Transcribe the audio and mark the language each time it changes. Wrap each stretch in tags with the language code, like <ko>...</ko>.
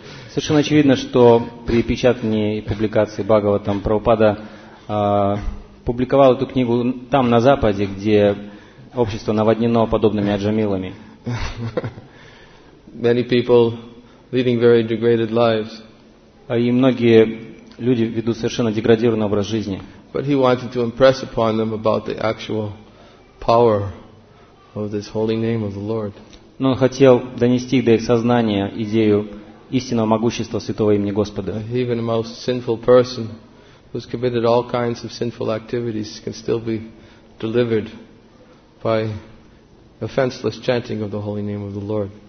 <ru>Совершенно очевидно, что при печатании и публикации Бхагаватам Прабхупада публиковал эту книгу там, на Западе, где общество наводнено подобными Аджамилами.</ru> <en>Many people leading very degraded lives.</en> <ru>И многие люди ведут совершенно деградированный образ жизни.</ru> <en>But he wanted to impress upon them about the actual power of this holy name of the Lord.</en> <ru>Но он хотел донести до их сознания идею истинного могущества святого имени Господа.</ru> <en>Even the most sinful person who's committed all kinds of sinful activities can still be delivered by offenseless chanting of the holy name of the Lord.</en>